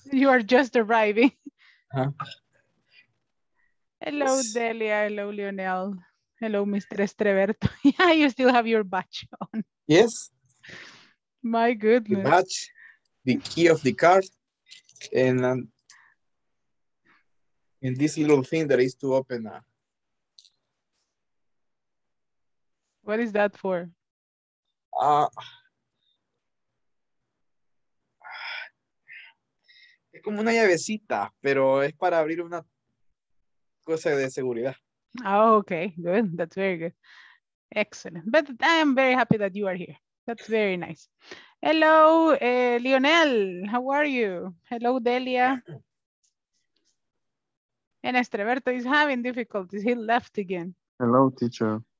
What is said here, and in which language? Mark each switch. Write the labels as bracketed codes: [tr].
[en] You are just arriving. Huh? Hello, yes. Delia. Hello, Lionel. Hello, Mr. Estreberto. Yeah, you still have your badge on. Yes. My goodness. The badge, the key of the car, and this little thing that is to open. What is that for? [es] Como una llavecita, pero es para abrir una cosa de seguridad. [en] Oh, okay, good. That's very good. Excellent. But I am very happy that you are here. That's very nice. Hello, Lionel. How are you? Hello, Delia. And Estreberto is having difficulties. He left again. Hello, teacher.